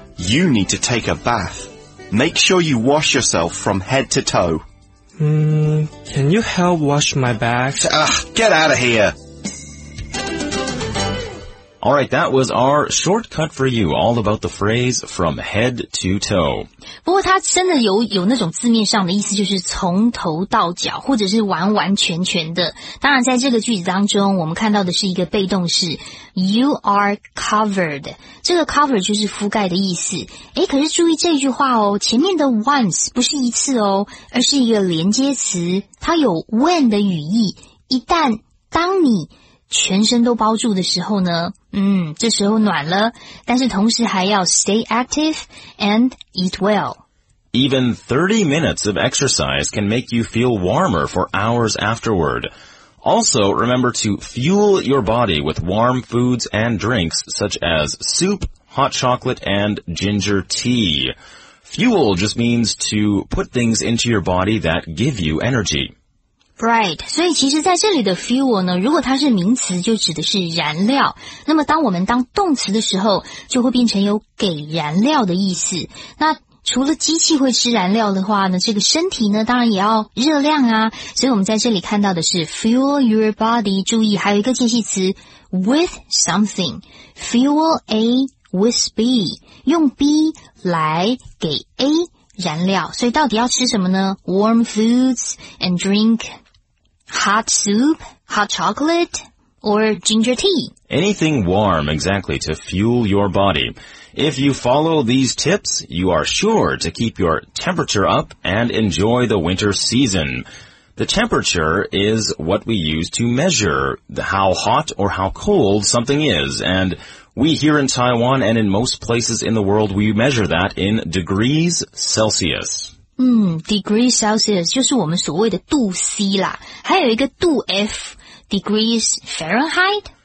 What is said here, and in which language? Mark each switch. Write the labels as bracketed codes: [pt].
[en] You need to take a bath. Make sure you wash yourself from head to toe. Can you help wash my back? Get out of here! All right, that was our shortcut for you, all about the phrase from head to toe. [zh] 不过它真的有那种字面上的意思，就是从头到脚，或者是完完全全的。当然在这个句子当中，我们看到的是一个被动式 , [en] you are covered. [zh] 这个 cover 就是覆盖的意思。诶，可是注意这句话哦，前面的 once 不是一次哦，而是一个连接词，它有 when 的语义，一旦当你全身都包住的时候呢，这时候暖了，但是同时还要 [en] stay active and eat well. Even 30 minutes of exercise can make you feel warmer for hours afterward. Also, remember to fuel your body with warm foods and drinks such as soup, hot chocolate, and ginger tea. Fuel just means to put things into your body that give you energy. Right, [zh] 所以其实在这里的 fuel 呢，如果它是名词就指的是燃料，那么当我们当动词的时候就会变成有给燃料的意思。那除了机器会吃燃料的话呢，这个身体呢当然也要热量啊，所以我们在这里看到的是 [en] fuel your body, [zh] 注意还有一个介系词 [en] with something, fuel A with B, [zh] 用 B 来给 A燃料，所以到底要吃什么呢 ? [en] Warm foods and drink hot soup, hot chocolate, or ginger tea. Anything warm, exactly, to fuel your body. If you follow these tips, you are sure to keep your temperature up and enjoy the winter season. The temperature is what we use to measure how hot or how cold something is, andWe here in Taiwan and in most places in the world, we measure that in degrees Celsius. [zh] Degrees Celsius 就是我们所谓的度 C 啦。还有一个度 F, degrees Fahrenheit?